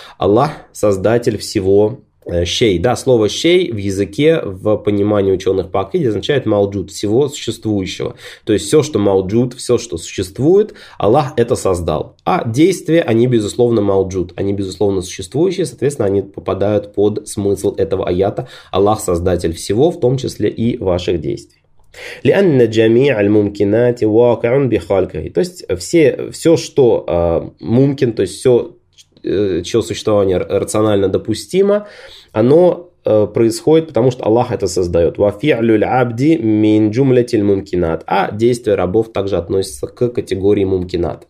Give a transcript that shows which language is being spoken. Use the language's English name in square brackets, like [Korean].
[Russian] Аллах – создатель всего шей. Да, слово «шей» в языке, в понимании ученых по акиде, означает «мауджуд» – всего существующего. То есть все, что «мауджуд», все, что существует, Аллах это создал. А действия, они, безусловно, «мауджуд», они, безусловно, существующие, соответственно, они попадают под смысл этого аята. Аллах – создатель всего, в том числе и ваших действий. [Arabic] لأن جميع الممكنات واقع بخالقه. [Russian] То есть все, все, что ممكن, то есть все, чье существование рационально допустимо, оно происходит, потому что Аллах это создает. [Arabic] وَفِعْلُ الْعَبْدِ مِنْ جُمْلَةِ الْمُمْكِنَاتِ. [Russian] А действие рабов также относится к категории мумкинат.